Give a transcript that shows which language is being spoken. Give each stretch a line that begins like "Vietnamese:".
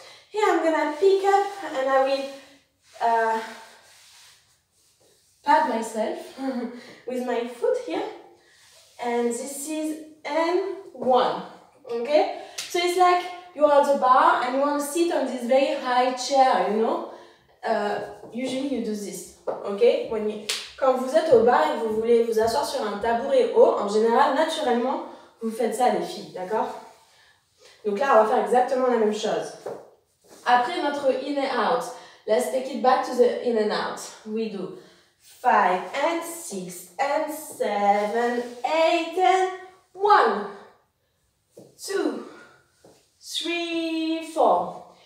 English: Here, I'm gonna pick up and I will pad myself with my foot here. And this is N1, ok? So it's like you are at the bar and you want to sit on this very high chair, you know? Usually you do this, ok? When you...
French: Quand vous êtes au bar et vous voulez vous asseoir sur un tabouret haut, en général, naturellement, vous faites ça les filles, d'accord? Donc là, on va faire exactement la même chose. Après notre
English: in and out, let's take it back to the in and out. We do 5 and 6 and 7, 8 and 1, 2, 3, 4.